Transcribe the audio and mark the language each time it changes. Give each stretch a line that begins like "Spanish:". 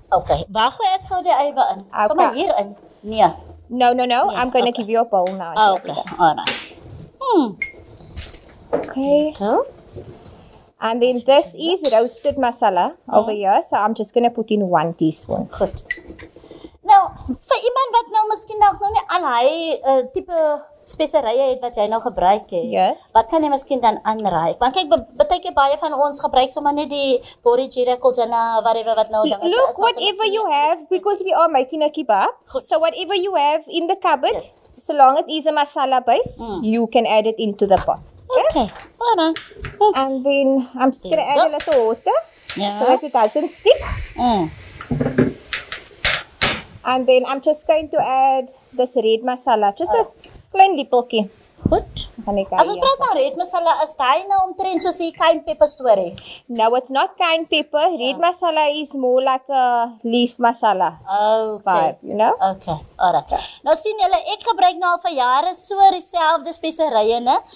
Afrikaans: Okay. Waar gooi ik gauw die eiwe in? Okay. Sommar hier in? Nee.
English: No, no, no. Nee. I'm going to give you a bowl now. Oh, okay. Okay. And then this is roasted masala over here. So I'm just going to put in 1 teaspoon.
Afrikaans: Goed. Nou, vir iemand wat nou miskien dalk nou nie al hy type speserye het wat jy nou gebruik het, wat kan jy miskien dan aanraai? Want kyk, baie baie van ons gebruik sommer net die Bori Jira, Koljana, whatever wat nou dinge is.
English: Look, whatever you have, because we are making a kebab, so whatever you have in the cupboard, so long it is a masala base, you can add it into the pot. Okay, voilà. And then I'm just going to add a little water, so that it doesn't stick. And then I'm just going to add this red masala, just a plain lippelkie.
Afrikaans: Goed. As we praat van red masala, is daai nou omtrent soos die cayenne pepper story?
English: No, it's not cayenne pepper. Red masala is more like a leaf masala vibe, you know? Okay, alright.
Afrikaans: Nou sien julle, ek gebruik nou al vir jare so dieselfde speserye, ne?